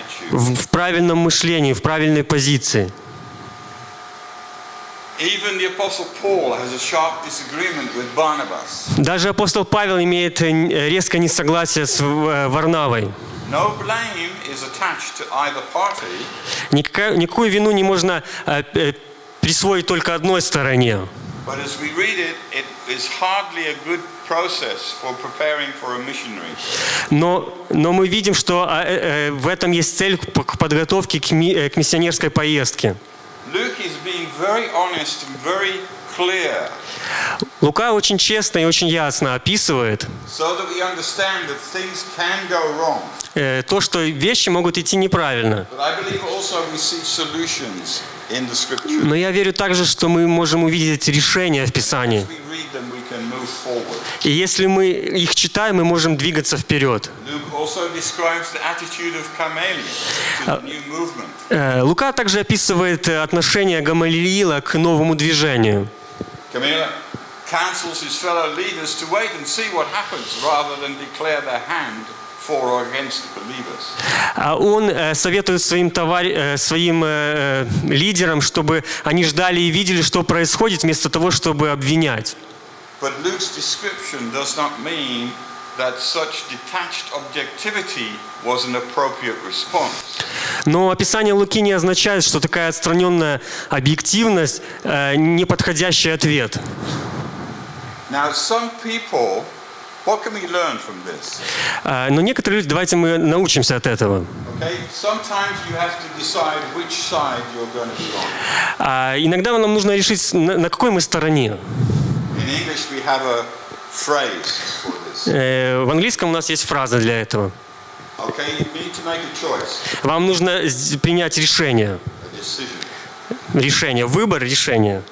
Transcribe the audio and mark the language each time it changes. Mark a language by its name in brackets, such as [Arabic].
[Russian] В правильном мышлении, в правильной позиции. [English] Even the apostle Paul has a sharp disagreement with Barnabas. [Russian] Даже апостол Павел имеет резкое несогласие с Варнавой. [English] No blame is attached to either party. [Russian] Никакую вину не можно присвоить только одной стороне. [English] But as we read it, it is hardly a good process for preparing for a missionary. [Russian] Но мы видим, что в этом есть цель к подготовке к миссионерской поездке. [English] Luke is being very honest and very clear. [Russian] Лука очень честно и очень ясно описывает. [English] So that we understand that things can go wrong. [Russian] То, что вещи могут идти неправильно. [English] But I believe also we see solutions in the scripture. [Russian] Но я верю также, что мы можем увидеть решения в Писании. [English] And if we read them, we can move forward. [Russian] И если мы их читаем, мы можем двигаться вперед. [English] Luke also describes the attitude of Gamaliel to the new movement. [Russian] Лука также описывает отношение Гамалиила к новому движению. [English] Gamaliel counsels his fellow leaders to wait and see what happens rather than declare their hand for or against the believers. [Russian] Он советует своим лидерам, чтобы они ждали и видели, что происходит, вместо того, чтобы обвинять. [English] But Luke's description does not mean that such detached objectivity was an appropriate response. [Russian] Но описание Луки не означает, что такая отстраненная объективность неподходящий ответ. [English] Now some people, what can we learn from this? [Russian] Но некоторые люди, давайте мы научимся от этого. [English] Okay, sometimes you have to decide which side you're going to be on. [Russian] Иногда нам нужно решить, на какой мы стороне. [English] In English we have a phrase. [Russian] В английском у нас есть фраза для этого. [English] Okay, you need to make a choice. [Russian] Вам нужно принять решение. Решение. Выбор, решение.